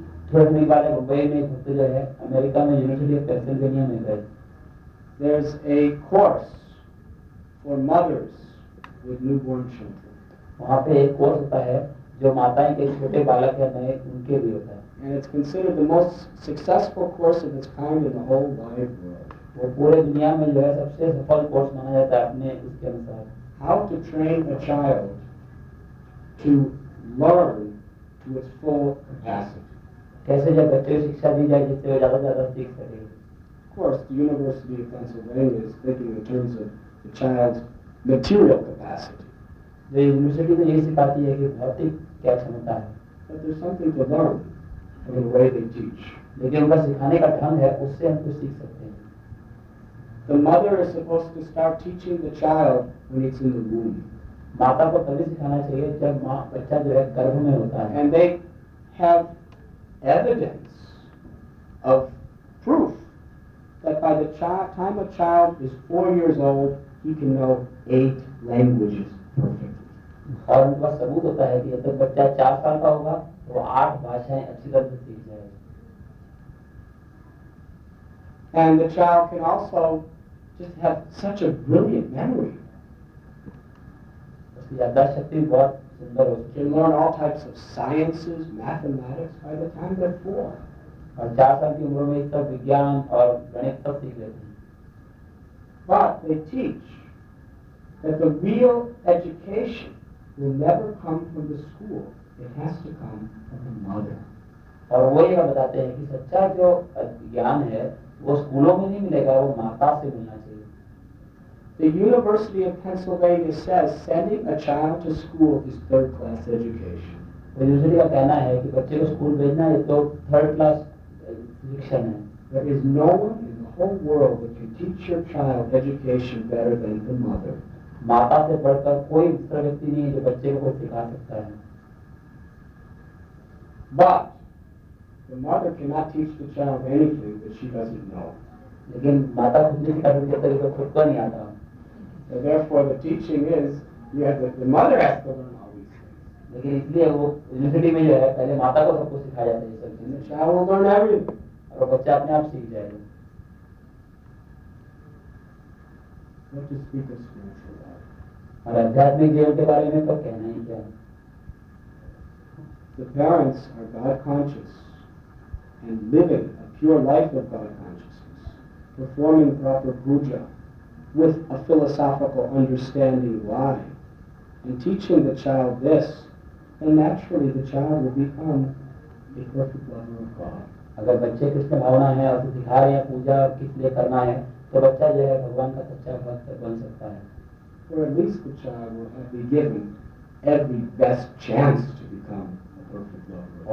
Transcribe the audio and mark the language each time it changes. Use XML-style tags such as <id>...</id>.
<en>There's a course for mothers with newborn children.</en> <hi>वहाँ पे एक कोर्स होता है जो माताएं के छोटे बालक या नए उनके लिए होता है.</hi> <en>And it's considered the most successful course of its kind in the whole wide world.</en> <hi>वो पूरे दुनिया में जो है सबसे सफल कोर्स माना जाता है अपने उसके अनुसार.</hi> <en>How to train a child to learn to its full capacity.</en> <hi>कैसे जब बच्चे शिक्षा दी जाए जिससे वो ज़्यादा ज़्यादा सीख सकें.</hi> <en>Of course, the University of Pennsylvania is thinking in terms of the child's material capacity. The university</en> <hi>तो यही सिखाती है कि भौतिक क्या क्षमता है.</hi> <en>But there's something to learn from the way they teach.</en> <hi>लेकिन उनका सिखाने का ढंग है उससे हम कुछ सीख सकते हैं.</hi> <en>The mother is supposed to start teaching the child when it's in the womb.</en> <hi>माता को तभी सिखाना चाहिए जब बच्चा जो है गर्भ में होता है.</hi> <en>And they have evidence of proof that by the time a child is 4 years old, he can know 8 languages perfectly.</en> <hi>और उनका सबूत होता है कि जब बच्चा 4 साल का होगा तो 8 भाषाएं अच्छी तरह से सीख जाएगा.</hi> <en>And the child can also just have such a brilliant memory. Can learn all types of sciences, mathematics by the time they're 4.</en> <hi>और 4 साल की उम्र में इतना विज्ञान और गणित सब सीख लेते हैं.</hi> <en>But they teach that the real education will never come from the school. It has to come from the mother.</en> <hi>और वो ये बताते हैं कि सच्चा जो ज्ञान है वो स्कूलों में नहीं मिलेगा, वो माता से मिलना चाहिए.</hi> <en>The University of Pennsylvania says sending a child to school is third-class education.</en> <hi>University का कहना है कि बच्चे को स्कूल भेजना ये तो थर्ड-क्लास शिक्षण है.</hi> <en>There is no one in the whole world that can teach your child education better than the mother.</en> <hi>माता से बढ़कर कोई दूसरा व्यक्ति नहीं है जो बच्चे को सिखा सकता है.</hi> <en>But the mother cannot teach the child anything that she doesn't know.</en> <hi>लेकिन माता खुद नहीं सिखा सकती तभी तो खुद को नहीं आता.</hi> <en>And therefore the teaching is the mother has to learn all these things.</en> <hi>लेकिन इसलिए वो यूनिवर्सिटी में जो है पहले माता को सब कुछ सिखाया जाता है. सब चीज़ में शायद वो</hi> <en>learn everything</en> <hi>और बच्चा अपने आप सीख जाएगा.</hi> <en>What is speak of school for that.</en> <hi>और आध्यात्मिक जीवन के बारे में तो कहना ही क्या.</hi> <en>The parents are God conscious and living a pure life of God consciousness performing proper puja with a philosophical understanding why, and teaching the child this, then naturally the child will become a perfect lover of God.</en> <hi>अगर बच्चे कृष्ण भावना है और दिखा रहे हैं पूजा किस लिए करना है तो बच्चा जो है भगवान का सच्चा भक्त बन सकता है.</hi> <en>Or at least the child will have been given every best chance to become a perfect lover.</en>